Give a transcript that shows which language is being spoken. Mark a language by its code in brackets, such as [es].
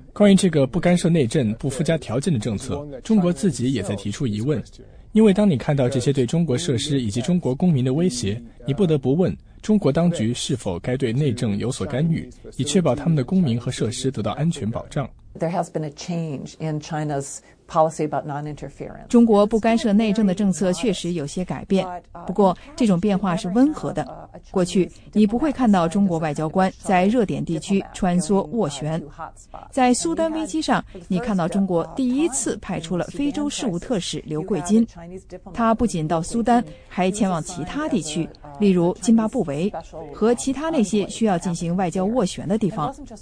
[zh] 关于这个不干涉内政、不附加条件的政策，中国自己也在提出疑问。因为当你看到这些对中国设施以及中国公民的威胁，你不得不问中国当局是否该对内政有所干预，以确保他们的公民和设施得到安全保障。 [en] There has been a change in China's policy about non-interference. [zh] 中国不干涉内政的政策确实有些改变，不过这种变化是温和的。过去，你不会看到中国外交官在热点地区穿梭斡旋。在苏丹危机上，你看到中国第一次派出了非洲事务特使刘贵金，他不仅到苏丹，还前往其他地区，例如津巴布韦和其他那些需要进行外交斡旋的地方。